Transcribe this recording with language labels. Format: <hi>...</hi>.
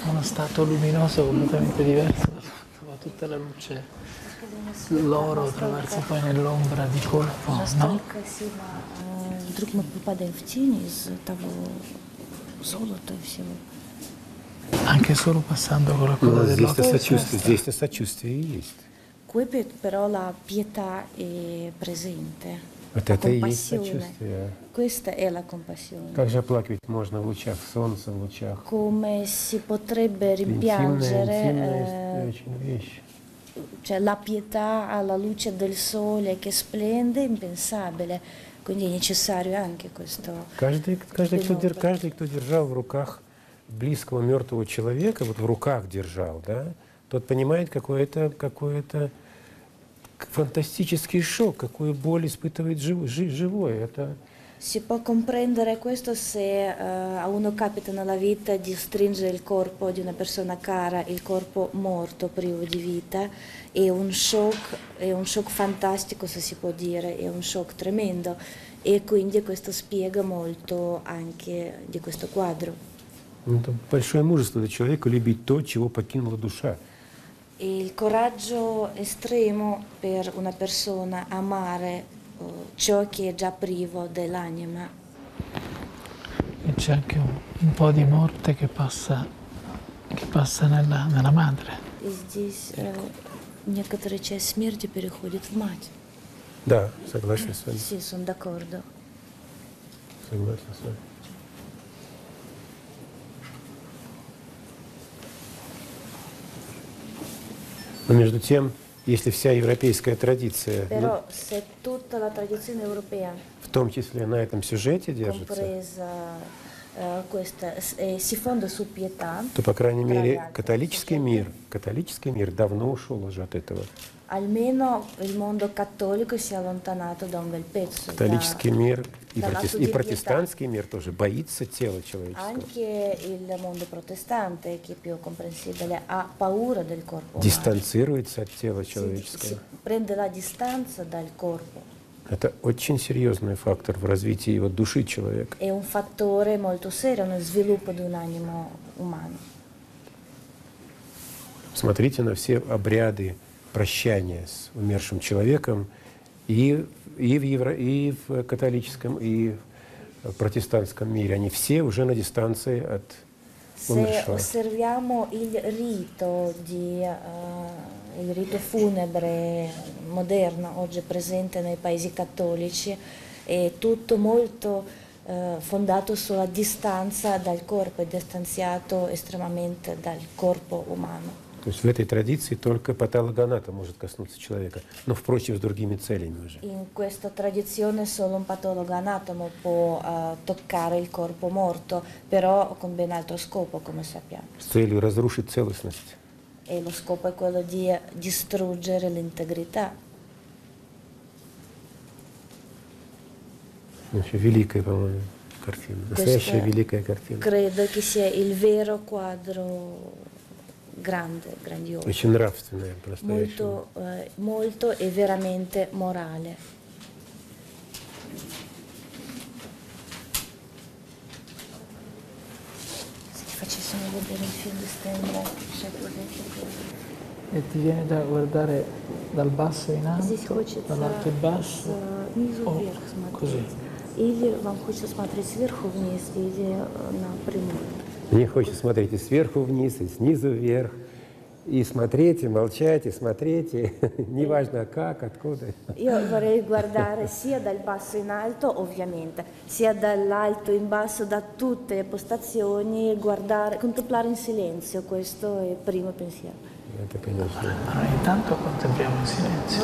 <it>Uno stato luminoso completamente diverso, va tutta la luce, l'oro attraverso poi nell'ombra di colpo, no?</it> <ru>Вдруг мы попадаем в тени из того золота и всего.</ru> <it>Anche solo passando con la coda dell'occhio. Qui però la pietà è presente.</it> <ru>Вот это и есть сочувствие.</ru> <it>Questa è la compassione.</it> <ru>Как же плакать можно в лучах солнца, в лучах?</ru> <it>Come si potrebbe rimpiangere? Cioè la pietà alla luce del sole che splende, impensabile. Quindi è necessario anche questo.</it> <ru>Каждый, кто держал в руках близкого мертвого человека, вот в руках держал, да, тот понимает, какое-то фантастический шок, какую боль испытывает живое. Это</ru> <it>si può comprendere questo se a uno capita nella vita di stringere il corpo di una persona cara, il corpo morto, privo di vita, è un shock fantastico, se si può dire, è un shock tremendo, e quindi questo spiega molto anche di questo quadro.</it> <ru>Это большое мужество для человека любить то, чего покинула душа.</ru> <it>Il coraggio estremo per una persona amare ciò che è già privo dell'anima. E c'è anche un po' di morte che passa nella madre. E qui,</it> <ru>некоторая часть смерти переходит в мать. Да, согласен с вами.</ru> <it>Sì, sono d'accordo.</it> <ru>Согласен с вами. Но между тем, если вся европейская традиция,</ru> <it>però, se tutta la tradizione europea,</it> <ru>в том числе на этом сюжете держится,</ru> <it>compresa, questa, si fonda su pietà,</it> <ru>то, по крайней мере, католический мир давно ушел уже от этого.</ru> <it>Almeno il mondo cattolico si è allontanato da un bel pezzo.</it> <ru>Католический мир и протестантский мир тоже боится тела человеческого.</ru> <it>Anche il mondo protestante, che è più comprensibile, ha paura del corpo.</it> <ru>Дистанцируется от тела человеческого.</ru> <it>Prende la distanza dal corpo.</it> <ru>Это очень серьезный фактор в развитии его души человека.</ru> <it>È un fattore molto serio nel sviluppo di un animo umano.</it> <ru>Смотрите на все обряды прощание с умершим человеком и в католическом, и в протестантском мире. Они все уже на дистанции от умершего.</ru> <it>Se osserviamo il rito funebre moderno, oggi presente nei paesi cattolici, è tutto molto fondato sulla distanza dal corpo, è distanziato estremamente dal corpo umano.</it> <ru>То есть в этой традиции только патологоанатом может коснуться человека, но, впрочем, с другими целями уже.</ru> <it>In questa tradizione solo un patologo anatomo può toccare il corpo morto, però con ben altro scopo, come sappiamo.</it> <ru>С целью разрушить целостность.</ru> <it>E lo scopo è quello di distruggere l'integrità.</it> <ru>Великая, по-моему, картина. Настоящая</ru> <it>questa,</it> <ru>великая картина.</ru> <it>Credo che sia il vero quadro. Grande, grandioso.</it> <ru>Очень нравственное, просто.</ru> <it>Molto, molto e veramente morale. Se ti facessimo vedere il film di Stendhal, e ti viene da guardare dal basso in alto, dall'alto in basso, o così.</it> <ru>Или вам хочется смотреть сверху вниз или напрямую? Мне хочется смотреть и сверху вниз, и снизу вверх. И смотрите, молчайте, смотрите, неважно как, откуда.</ru> <it>Io vorrei guardare sia dal basso in alto, ovviamente, sia dall'alto in basso, da tutte le postazioni, guardare, contemplare in silenzio, questo è il primo pensiero.</it> <ru>Это, конечно.</ru> <it>Allora, intanto contempliamo in silenzio.</it>